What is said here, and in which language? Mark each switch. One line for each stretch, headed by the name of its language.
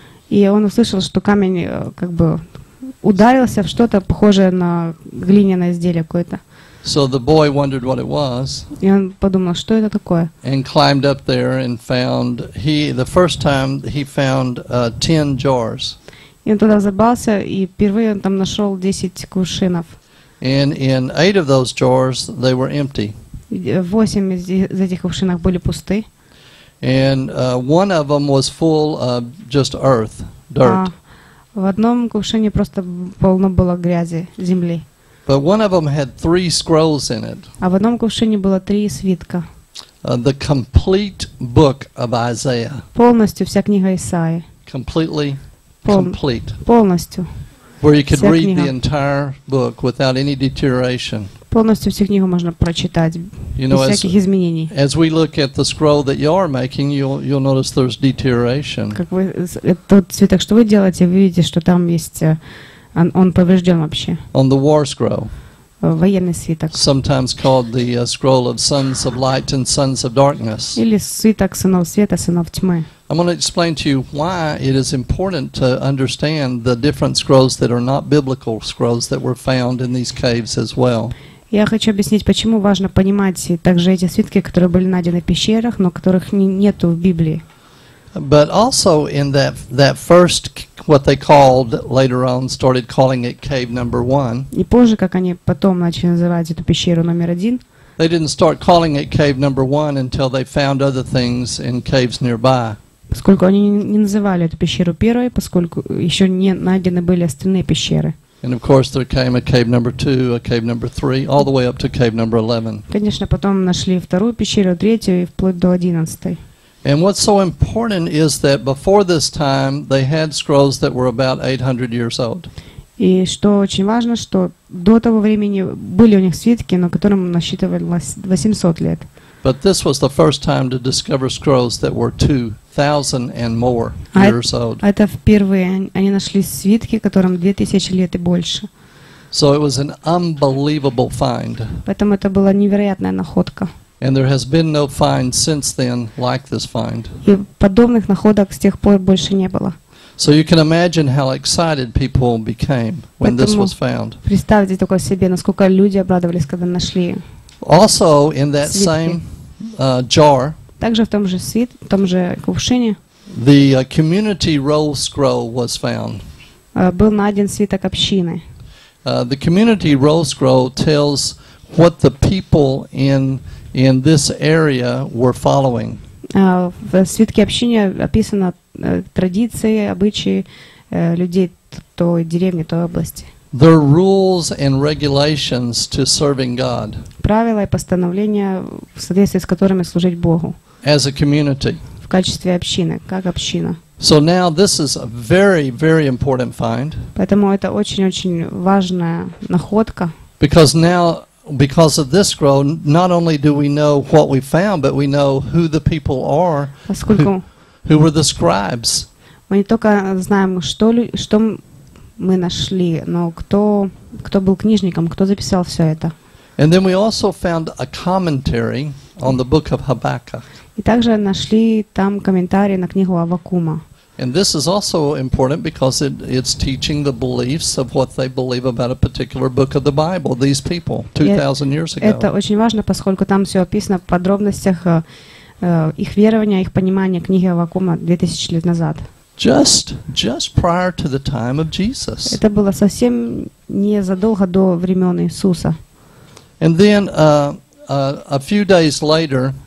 Russian: И он услышал, что камень как бы ударился в что-то похожее на глиняное изделие какое-то.
English: So the boy wondered what it was.
Russian: И он подумал, что это такое.
English: And climbed up there and found the first time he found 10 jars.
Russian: И он туда забрался и впервые он там нашел 10 кувшинов.
English: And in 8 of those jars they were empty.
Russian: 8 из этих кувшинов были пусты.
English: And one of them was full of just earth, dirt.
Russian: А в одном кувшине просто полно было грязи, земли.
English: But one of them had 3 scrolls in it.
Russian: А в одном кувшине было 3 свитка.
English: The complete book of Isaiah.
Russian: Полностью вся книга Исаии.
English: Completely complete.
Russian: Полностью.
English: Where you could read the entire book without any deterioration.
Russian: Полностью всю книгу можно прочитать без всяких изменений.
English: As we look at the scroll that you are making, you'll notice there's deterioration.
Russian: Как вы тот свиток, что вы делаете, вы видите, что там есть он повреждён вообще.
English: On the war scroll.
Russian: Военный свиток.
English: Sometimes called the scroll of sons of light and sons of darkness.
Russian: Или свиток сынов света, сынов тьмы.
English: I'm going to explain to you why it is important to understand the different scrolls that are not biblical scrolls that were found in these caves as well.
Russian: Я хочу объяснить, почему важно понимать также эти свитки, которые были найдены в пещерах, но которых нету в Библии.
English: But also in that first, what they called later on, started calling it cave number one.
Russian: И позже, как они потом начали называть эту пещеру номер один.
English: They didn't start calling it cave number one until they found other things in caves nearby.
Russian: Поскольку они не называли эту пещеру первой, поскольку еще не найдены были остальные пещеры.
English: And of course, there came a cave number two, a cave number three, all the way up to cave number 11.
Russian: Конечно, потом нашли вторую пещеру, третью и вплоть до одиннадцатой.
English: And what's so important is that before this time they had scrolls that were about 800 years old.
Russian: И что очень важно, что до того времени были у них свитки, но которым насчитывалось 800 лет.
English: But this was the first time to discover scrolls that were 2000 and more years old.
Russian: Это впервые они нашли свитки, которым 2000 лет и больше.
English: So it was an unbelievable find.
Russian: Поэтому это была невероятная находка.
English: And there has been no find since then like this find.
Russian: И подобных находок с тех пор больше не было.
English: So you can imagine how excited people became when this was found.
Russian: Представьте только себе, насколько люди обрадовались, когда нашли.
English: Also in that same jar.
Russian: Также в том же свитке, в том же кувшине.
English: The community roll scroll was found.
Russian: Был найден свиток общины.
English: The community roll scroll tells what the people in this area were following.
Russian: В свитке общины описано традиции, обычаи людей той деревни, той области.
English: The rules and regulations to serving God.
Russian: Правила и постановления, в соответствии с которыми служить Богу.
English: As a community.
Russian: В качестве общины, как община.
English: So now this is a very, very important find.
Russian: Поэтому это очень-очень важная находка.
English: Because now because of this scroll, not only do we know what we found, but we know who the people are, who were the scribes.
Russian: Мы не только знаем, что мы нашли, но кто был книжником, кто записал все это.
English: And then we also found a commentary on the book of Habakkuk.
Russian: И также нашли там комментарий на книгу Аввакума.
English: And this is also important because it's teaching the beliefs of what they believe about a particular book of the Bible, these people, 2,000 years ago.
Russian: Это очень важно, поскольку там все описано в подробностях их верования, их понимания книги Аввакума 2000 лет назад.
English: Just prior to the time of Jesus.
Russian: Это было совсем незадолго до времен Иисуса.
English: And then a few days later,